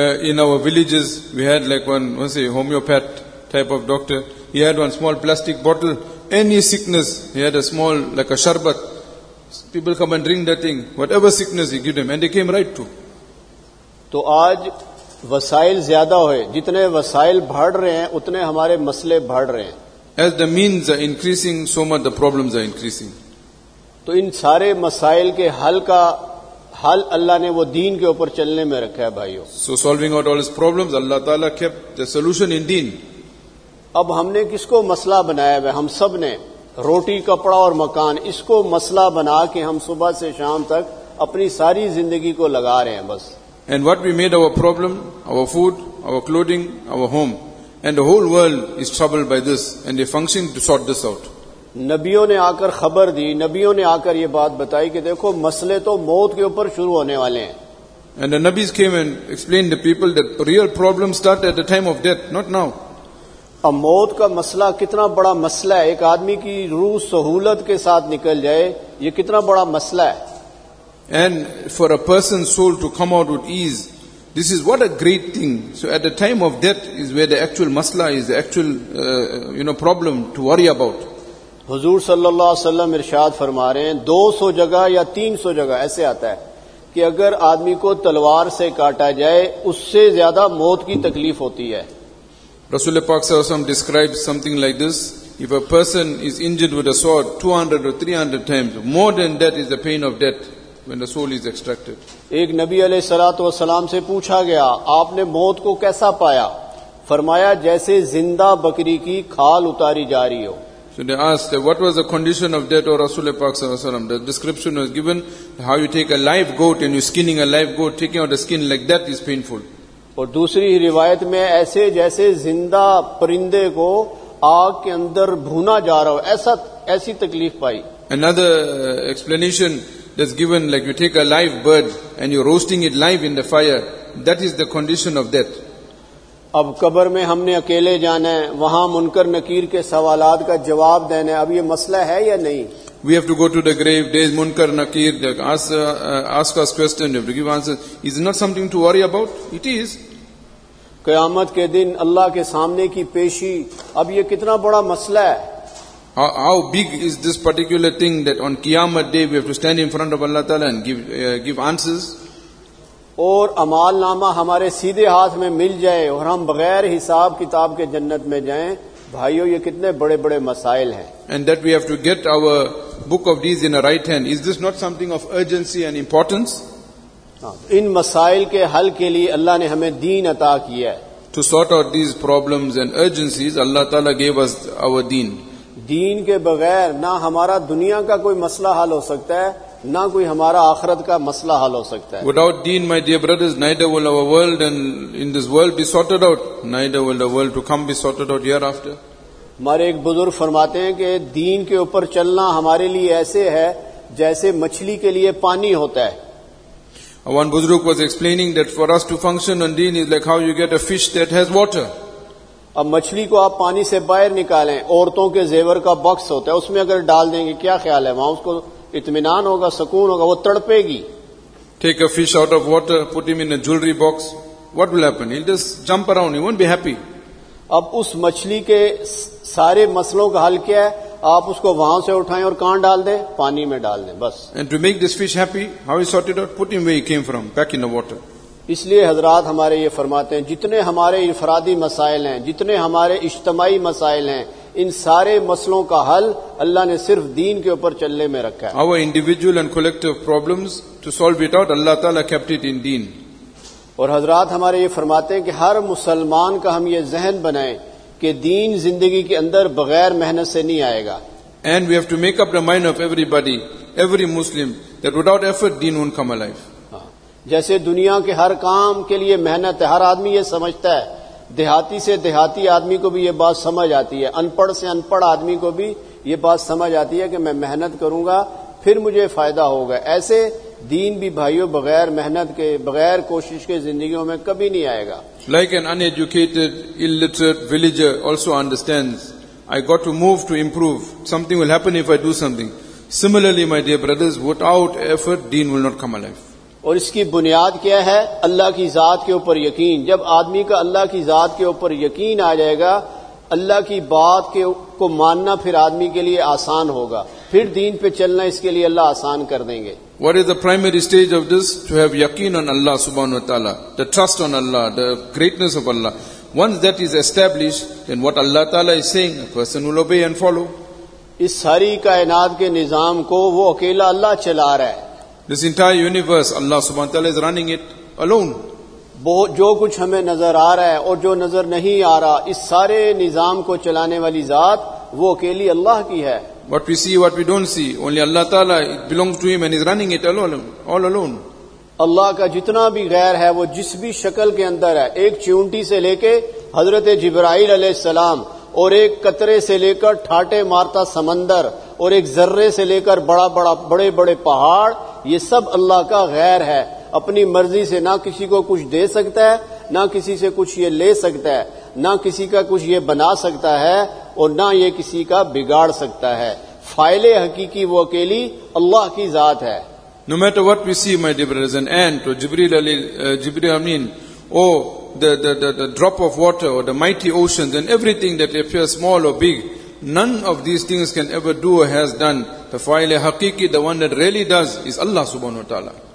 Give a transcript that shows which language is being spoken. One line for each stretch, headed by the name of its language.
English: In our villages we had like one homeopath type of doctor, he had one small plastic bottle, any sickness he had a small like a شربت, people come and drink that thing, whatever sickness he give them and they came right too.
Urdu: تو آج وسائل زیادہ ہوئے, جتنے وسائل بڑھ رہے ہیں اتنے ہمارے مسئلے بڑھ رہے ہیں.
English: As the means are increasing, so much the problems are increasing.
Urdu: تو ان سارے مسائل کے حل کا حل اللہ نے وہ دین کے اوپر چلنے میں رکھا ہے بھائیو.
English: So solving out all his problems, Allah Ta'ala kept the solution in deen.
Urdu: اب ہم نے کس کو مسئلہ بنایا ہے؟ ہم سب نے روٹی کپڑا اور مکان, اس کو مسئلہ بنا کے ہم صبح سے شام تک اپنی ساری زندگی کو لگا رہے ہیں بس.
English: And what we made our problem, our food, our clothing, our home. And the whole world is troubled by this and they function to sort this out.
Urdu: نبیوں نے آ کر خبر دی, نبیوں نے آ کر یہ بات بتائی کہ دیکھو مسئلے تو موت کے اوپر شروع ہونے والے ہیں.
English: And the nabis came and explained the people that real problems start at the time of death, not now.
Urdu: اب موت کا مسئلہ کتنا بڑا مسئلہ ہے, ایک آدمی کی روح سہولت کے ساتھ نکل جائے یہ کتنا بڑا مسئلہ ہے.
English: And for a person's soul to come out with ease, this is what a great thing. So at the time of death is where the actual masla is, the actual problem to worry about.
Urdu: حضور صلی اللہ علیہ وسلم ارشاد فرما رہے ہیں 200 جگہ یا 300 جگہ ایسے آتا ہے کہ اگر آدمی کو تلوار سے کاٹا جائے اس سے زیادہ موت کی تکلیف ہوتی ہے.
English: رسول پاک صلی اللہ علیہ وسلم describe something like this, if a person is injured with a sword 200 or 300 times, more than that is the pain of death when the soul is extracted.
Urdu: ایک نبی علیہ الصلوۃ والسلام سے پوچھا گیا آپ نے موت کو کیسا پایا, فرمایا جیسے زندہ بکری کی کھال اتاری جا رہی ہو.
English: So they asked what was the condition of death of Rasul Pak sallallahu alaihi wasallam. The description was given how you take a live goat and you're skinning a live goat, taking out the skin like that is painful.
Urdu: اور دوسری روایت میں ایسے جیسے زندہ پرندے کو آگ کے اندر بھونا جا رہا ہو, ایسی تکلیف پائی.
English: Another explanation that's given like you take a live bird and you're roasting it live in the fire, that is the condition of death.
Urdu: اب قبر میں ہم نے اکیلے جانا ہے, وہاں منکر نکیر کے سوالات کا جواب دینا ہے, اب یہ مسئلہ ہے یا نہیں؟
English: We have to go to the grave, there is منکر نکیر, ask us question, you have to give answer, is not something to worry about, it is.
Urdu: قیامت کے دن اللہ کے سامنے کی پیشی, اب یہ کتنا بڑا مسئلہ ہے.
English: How big is this particular thing that on قیامت day we have to stand in front of Allah تعالیٰ and give answers.
Urdu: اور اعمال نامہ ہمارے سیدھے ہاتھ میں مل جائے اور ہم بغیر حساب کتاب کے جنت میں جائیں, بھائیو یہ کتنے بڑے بڑے مسائل ہیں.
English: And that we have to get our book of deeds in a right hand, is this not something of urgency and importance?
Urdu: ان مسائل کے حل کے لیے اللہ نے ہمیں دین عطا کیا ہے.
English: To sort out these problems and urgencies, Allah تعالیٰ gave us our deen.
Urdu: دین کے بغیر نہ ہمارا دنیا کا کوئی مسئلہ حل ہو سکتا ہے, نہ کوئی ہمارا آخرت کا مسئلہ حل ہو سکتا ہے.
English: Without deen, my dear brothers, neither will our world and in this world be sorted out, neither will the world to come be sorted out hereafter.
Urdu: ہمارے ایک بزرگ فرماتے ہیں کہ دین کے اوپر چلنا ہمارے لیے ایسے ہے جیسے مچھلی کے لیے پانی ہوتا ہے.
English: One بزرگ was explaining that for us to function on deen is like how you get a fish that has water.
Urdu: اب مچھلی کو آپ پانی سے باہر نکالیں, عورتوں کے زیور کا باکس ہوتا ہے, اس میں اگر ڈال دیں گے, کیا خیال ہے, وہاں اس کو اطمینان ہوگا, سکون ہوگا, وہ تڑپے گی.
English: Take a fish out of water, put him in a jewellery box, what will happen, he just jump around, he won't be happy.
Urdu: اب اس مچھلی کے سارے مسئلوں کا حل کیا ہے, آپ اس کو وہاں سے اٹھائیں اور کہاں ڈال دیں, پانی میں ڈال دیں بس.
English: And to make this fish happy, how he sorted out, put him where he came from, back in the water.
Urdu: اس لیے حضرات ہمارے یہ فرماتے ہیں جتنے ہمارے انفرادی مسائل ہیں, جتنے ہمارے اجتماعی مسائل ہیں, ان سارے مسئلوں کا حل اللہ نے صرف دین کے اوپر چلنے میں رکھا ہے.
English: Our individual and collective problems, to solve it out, Allah تعالیٰ kept it in deen.
Urdu: اور حضرات ہمارے یہ فرماتے ہیں کہ ہر مسلمان کا ہم یہ ذہن بنائیں کہ دین زندگی کے اندر بغیر محنت سے نہیں آئے گا.
English: And we have to make up the mind of everybody, every Muslim, that without effort deen won't come alive.
Urdu: جیسے دنیا کے ہر کام کے لیے محنت ہے, ہر آدمی یہ سمجھتا ہے, دیہاتی سے دیہاتی آدمی کو بھی یہ بات سمجھ آتی ہے, ان پڑھ سے ان پڑھ آدمی کو بھی یہ بات سمجھ آتی ہے کہ میں محنت کروں گا پھر مجھے فائدہ ہوگا. ایسے دین بھی بھائیوں بغیر محنت کے, بغیر کوشش کے زندگیوں میں کبھی نہیں آئے گا.
English: Like an uneducated, illiterate villager also understands, I got to move to improve, something will happen if I do something. Similarly, my dear brothers, without effort, deen will not come alive.
Urdu: اور اس کی بنیاد کیا ہے؟ اللہ کی ذات کے اوپر یقین. جب آدمی کا اللہ کی ذات کے اوپر یقین آ جائے گا, اللہ کی بات کو ماننا پھر آدمی کے لیے آسان ہوگا, پھر دین پہ چلنا اس کے لیے اللہ آسان کر دیں گے.
English: What is the primary stage of this? To have yaqeen on Allah subhanahu wa ta'ala, the trust on Allah, the greatness of Allah. Once that is established, then what Allah ta'ala is saying, a person will obey and follow.
Urdu: اس ساری کائنات کے نظام کو وہ اکیلا اللہ چلا رہا ہے.
English: This entire universe, Allah subhanahu wa ta'ala is running it alone.
Urdu: جو کچھ ہمیں نظر آ رہا ہے اور جو نظر نہیں آ رہا, اس سارے نظام کو چلانے والی ذات وہ اکیلی اللہ کی ہے.
English: What we see, what we don't see, only Allah ta'ala, it belongs to him and he's running it all alone.
Urdu: اللہ کا جتنا بھی غیر ہے, وہ جس بھی شکل کے اندر ہے, ایک چیونٹی سے لے کے حضرت جبرائیل علیہ السلام, اور ایک قطرے سے لے کر ٹھاٹے مارتا سمندر, اور ایک ذرے سے لے کر بڑا بڑا بڑے بڑے پہاڑ, یہ سب اللہ کا غیر ہے. اپنی مرضی سے نہ کسی کو کچھ دے سکتا ہے, نہ کسی سے کچھ یہ لے سکتا ہے, نہ کسی کا کچھ یہ بنا سکتا ہے, اور نہ یہ کسی کا بگاڑ سکتا ہے. فائل حقیقی وہ اکیلی اللہ کی ذات ہے.
English: No matter what we see, my dear brothers and aunt, or Jibreel Amin, or the drop of water, or the mighty oceans, and everything that appears small or big, none of these things can ever do or has done. The fa'il haqiqi, the one that really does, is Allah subhanahu wa ta'ala.